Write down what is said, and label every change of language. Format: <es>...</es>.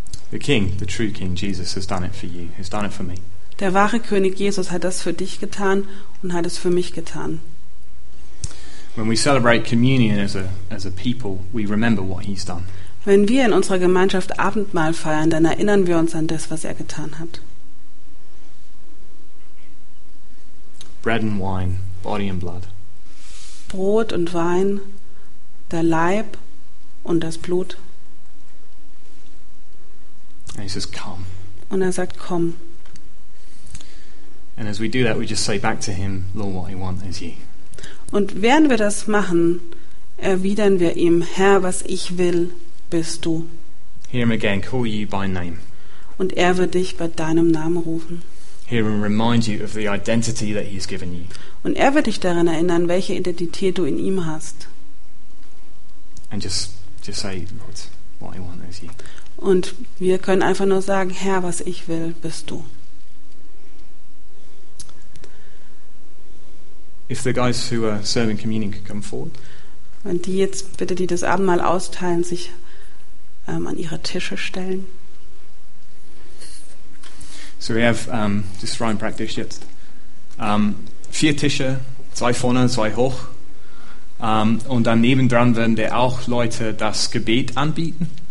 <en>The king, the true king Jesus has done it for you. He's done it for me.</en> <de>Der wahre König Jesus hat das für dich getan und hat es für mich getan.</de> <en>When we celebrate communion as a people, we remember what he's done.</en> <de>Wenn wir in unserer Gemeinschaft Abendmahl feiern, dann erinnern wir uns an das, was er getan hat.</de> <en>Bread and wine, body and blood.</en> <de>Brot und Wein, der Leib und das Blut.</de> <en>And he says, come.</en> <de>Und er sagt, komm.</de> <en>And as we do that, we just say back to him, Lord, what I want is you.</en> <de>Und während wir das machen, erwidern wir ihm, Herr, was ich will, bist du.</de> <en>Hear him again, call you by name.</en> <de>Und er wird dich bei deinem Namen rufen.</de> <en>Hear him remind you of the identity that he's given you.</en> <de>Und er wird dich daran erinnern, welche Identität du in ihm hast.</de> <en>And just say, Lord, what I want is you.</en> <de>Und wir können einfach nur sagen, Herr, was ich will, bist du.</de> <en>If the guys who are serving communion could come forward.</en> <de>Wenn die jetzt bitte, die das Abendmahl austeilen, sich an ihre Tische stellen.</de> <en>So we have just</en> <de>rein praktisch jetzt. Vier Tische, zwei vorne, zwei hoch. Und dann nebendran werden wir auch Leute das Gebet anbieten.</de>